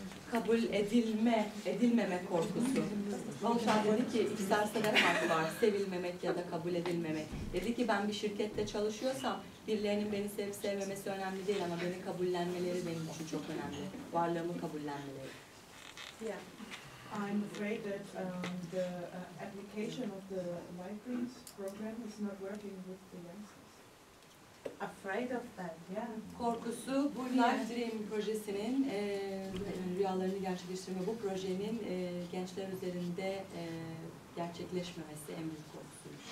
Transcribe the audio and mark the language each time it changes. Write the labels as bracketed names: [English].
[Turkish] Kabul edilme, edilmeme korkusu. Alşan dedi ki, isterse de farkı var, sevilmemek ya da kabul edilmemek. Dedi ki, ben bir şirkette çalışıyorsam, birilerinin beni sevip sevmemesi önemli değil ama beni kabullenmeleri benim için çok önemli. Varlığımı kabullenmeleri. [English] Yeah, I'm afraid that the application of the migrants program is not working with the youngsters. Afraid of that, yeah. [Turkish] Korkusu bu Life Dream projesinin rüyalarını gerçekleştirme, bu projenin gençler üzerinde gerçekleşmemesi en büyük korkusu.